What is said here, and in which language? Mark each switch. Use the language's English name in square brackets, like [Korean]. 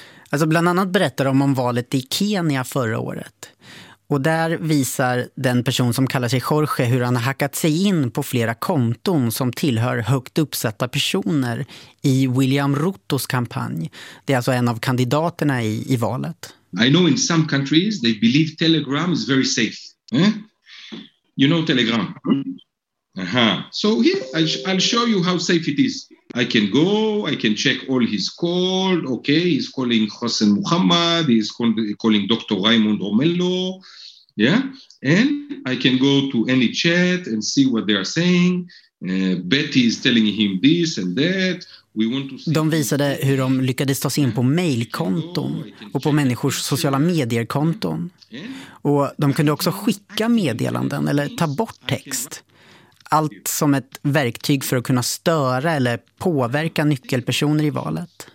[Swedish] Alltså bland annat berättar de om valet i Kenya förra året. Och där visar den person som kallar sig Jorge hur han har hackat sig in på flera konton som tillhör högt uppsatta personer i William Rutos kampanj. Det är alltså en av kandidaterna i valet. [English] I know in some countries they believe Telegram is very safe. Eh? You know Telegram. So here I'll show you how safe it is. I can go, I can check all his calls. Okay, he's calling Hossein Muhammad, he's calling Dr. Raymond Romello. Yeah? And I can go to any chat and see what they are saying. Betty is telling him this and that. [Swedish] De visade hur de lyckades ta sig in på mejlkonton och på människors sociala medierkonton. Och de kunde också skicka meddelanden eller ta bort text. Allt som ett verktyg för att kunna störa eller påverka nyckelpersoner i valet.